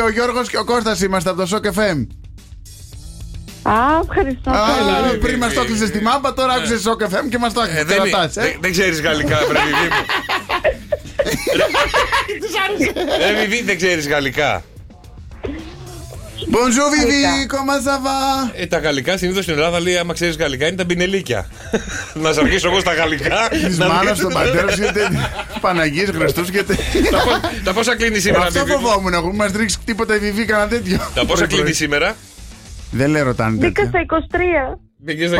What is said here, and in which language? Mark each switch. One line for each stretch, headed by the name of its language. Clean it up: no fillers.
Greek: Ο Γιώργος και ο Κώστας είμαστε από το Sok FM. Α, ευχαριστώ. Πριν μας το έκλεισες τη μάπα, τώρα άκουσες Sok FM και μας το έκλεισες. Δεν ξέρεις γαλλικά, πρέπει, Βιβί μου. Ρε Βιβί, δεν ξέρεις γαλλικά.
French: Bonjour Βιβί, comment ça va?
Greek: Τα γαλλικά συνήθως στην Ελλάδα λέει, άμα ξέρεις γαλλικά, είναι τα μπινελίκια. Να σας αρχίσω εγώ στα γαλλικά. Της μάνας, τον πατέρα, είστε Παναγίες, Χριστούς και τα πόσα κλείνει σήμερα, Βιβί? Αυτό φοβόμουν, εγώ μας ρίξει τίποτα η Βιβί, κανένα τέτοιο. Τα πόσα κλείνει σήμερα? Δεν λέω τα τέτοια. Μπήκα στα 23.